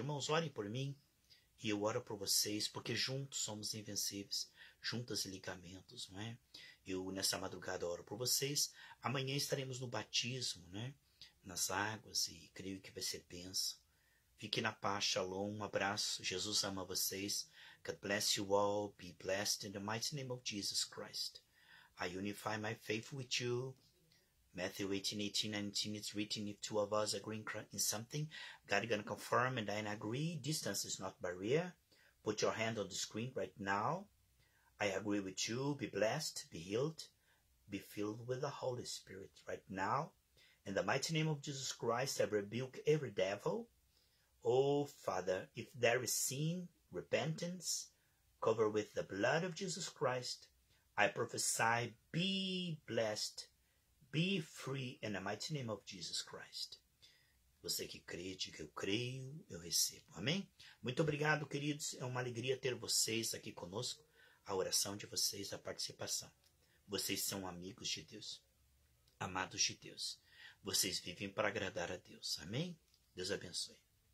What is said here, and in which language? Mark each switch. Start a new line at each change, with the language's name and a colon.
Portuguese: Irmãos, orem por mim e eu oro por vocês, porque juntos somos invencíveis. Juntas e ligamentos, não é? Eu nessa madrugada oro por vocês. Amanhã estaremos no batismo, né? Nas águas, e creio que vai ser bênção. Fique na paz, shalom, um abraço. Jesus ama vocês.
English: God bless you all. Be blessed in the mighty name of Jesus Christ. I unify my faith with you. Matthew 18:18-19, it's written, if two of us agree in something, God is going to confirm and I agree. Distance is not barrier. Put your hand on the screen right now. I agree with you. Be blessed, be healed, be filled with the Holy Spirit right now. In the mighty name of Jesus Christ, I rebuke every devil. Oh, Father, if there is sin, repentance, cover with the blood of Jesus Christ, I prophesy, be blessed, be free in the mighty name of Jesus Christ.
Portuguese: Você que crê, diga eu creio, eu recebo. Amém? Muito obrigado, queridos. É uma alegria ter vocês aqui conosco. A oração de vocês, a participação. Vocês são amigos de Deus, amados de Deus. Vocês vivem para agradar a Deus. Amém? Deus abençoe.